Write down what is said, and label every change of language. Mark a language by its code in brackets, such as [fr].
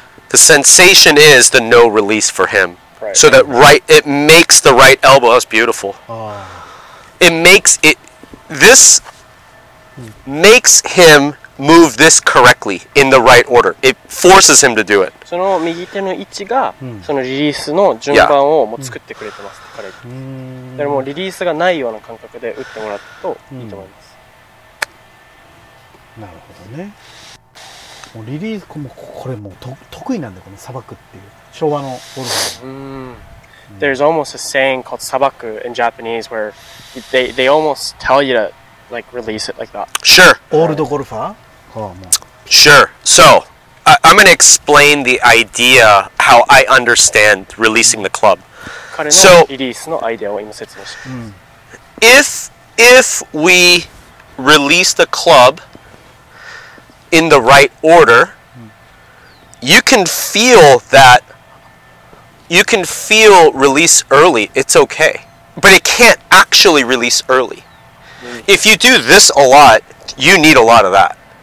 [en] the sensation is the no release for him, right. so that right, it makes the right elbow. That's beautiful. It makes it. This makes him move this correctly in the right order. It forces him to do it. [ja] その右手の位置がそのリリースの順番をもう作ってくれてます。彼。でもリリースがないような感覚で打ってもらうといいと思います。なるほどね。もうリリースもこれもう得意なんだよこのさばくっていう昭和のゴルフ。 [en] There's almost a saying called sabaku in Japanese where they almost tell you to like release it like that. Sure. Old golfer? Sure. So, I'm going to explain the idea how I understand releasing the club. [ja] 彼のリリースのアイデアを今説明します。 [en] If we release the club in the right order, you can feel that, you can feel release early, it's okay. But it can't actually release early. If you do this a lot, you need a lot of that.